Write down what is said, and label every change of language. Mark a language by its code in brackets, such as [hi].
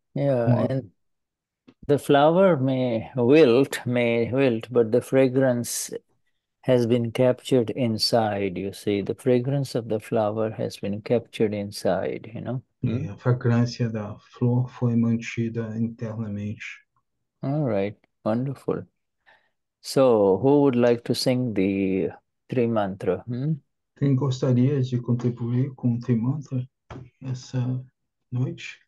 [en] And the flower may wilt, but the fragrance has been captured inside, you see. The fragrance of the flower has been captured inside, you know. [pt] E a fragrância da flor foi mantida internamente. [en] All right, wonderful. So, who would like to sing the three mantra? [pt] Quem gostaria de contribuir com o Trimantra essa noite?